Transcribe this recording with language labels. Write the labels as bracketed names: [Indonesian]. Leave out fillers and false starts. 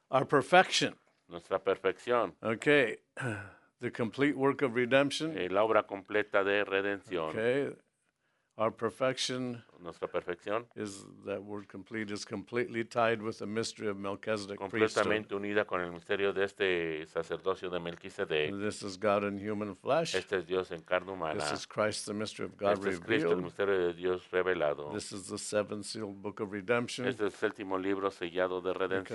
[English] Our perfection. [Spanish] Nuestra perfección. [English] Okay. The complete work of redemption. [Spanish] La obra completa de redención. [English] Okay. Our perfection. [Spanish] Nuestra perfección. [English] Is that word complete is completely tied with the mystery of Melchizedek [Spanish] completamente [English] priesthood. [Spanish] Unida con el misterio de este sacerdocio de Melquisedec. [English] This is God in human flesh. [Spanish] Este es Dios en carne humana. [English] This is Christ, the mystery of God [Spanish] este [English] revealed. [Spanish] Es Cristo, el misterio de Dios revelado. [English] This is the seventh sealed book of redemption. [Spanish] Este es el séptimo libro sellado de redención.